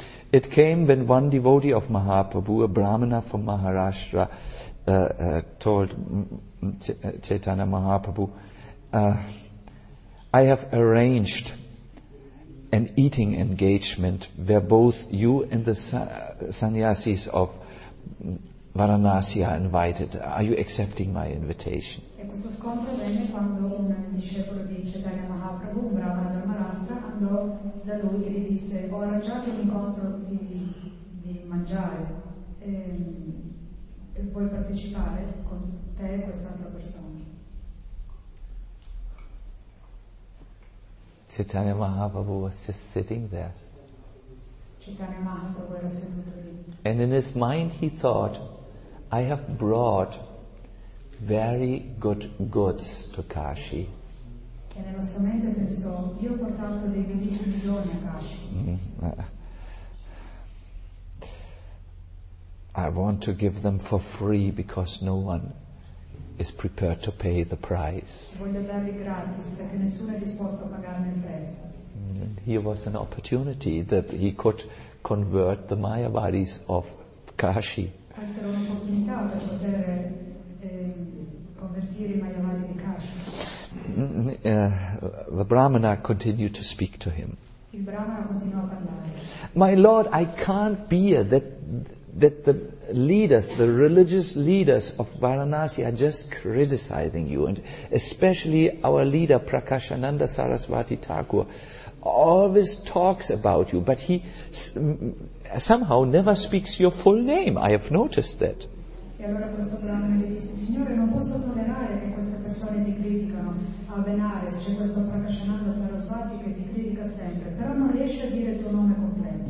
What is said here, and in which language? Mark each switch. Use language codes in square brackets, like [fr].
[en] It came when one devotee of Mahaprabhu, a brahmana from Maharashtra, told Chaitanya Mahaprabhu, I have arranged an eating engagement where both you and the sannyasis of Varanasi are invited. Are you accepting my invitation? [it] E questo scontro venne quando un discepolo di Chaitanya Mahaprabhu, un brahmana di Maharashtra, andò da lui e gli disse: ho arrangiato un incontro di mangiare, e vuoi partecipare con te e quest'altra persona? [en] Chaitanya Mahaprabhu was just sitting there. [it] Chaitanya Mahaprabhu era seduto lì. [en] And in his mind he thought, I have brought very good goods to Kashi. [it] E nello suo mente pensò, io ho portato dei bellissimi doni a Kashi. [en] I want to give them for free because no one is prepared to pay the price. [it] Voglio darli gratis perché nessuno è disposto a pagarne il prezzo. [en] Here was an opportunity that he could convert the Mayavadis of Kashi. [it] Questa era un'opportunità per poter convertire i Mayavadi di Kashi. [en] The Brahmana continued to speak to him. [it] Il Brahmana continuò a parlare. [en] My Lord, I can't bear that the leaders, the religious leaders of Varanasi are just criticizing you, and especially our leader Prakashananda Saraswati Thakur always talks about you, but he somehow never speaks your full name. I have noticed that. [it] E allora questo brahmana gli disse: signore, non posso tollerare che queste persone ti criticano a Benares, c'è questo Prakashananda Saraswati che ti critica sempre, però non riesce a dire il tuo nome completo.